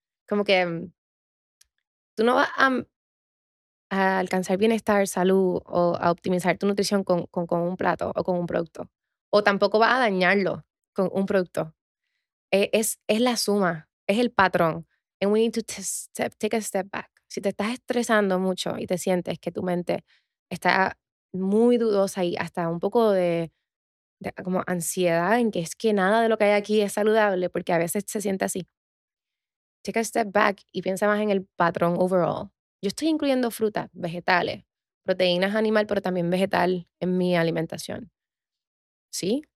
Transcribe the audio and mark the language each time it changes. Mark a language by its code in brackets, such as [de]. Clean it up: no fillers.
[es] Como que tú no vas a alcanzar bienestar, salud o a optimizar tu nutrición con un plato o con un producto. O tampoco vas a dañarlo con un producto. Es la suma, es el patrón. [en] And we need to take a step back. [es] Si te estás estresando mucho y te sientes que tu mente está muy dudosa y hasta un poco de como ansiedad en que es que nada de lo que hay aquí es saludable, porque a veces se siente así. [en] Take a step back [es] y piensa más en el patrón overall. Yo estoy incluyendo frutas, vegetales, proteínas animal, pero también vegetal en mi alimentación. ¿Sí?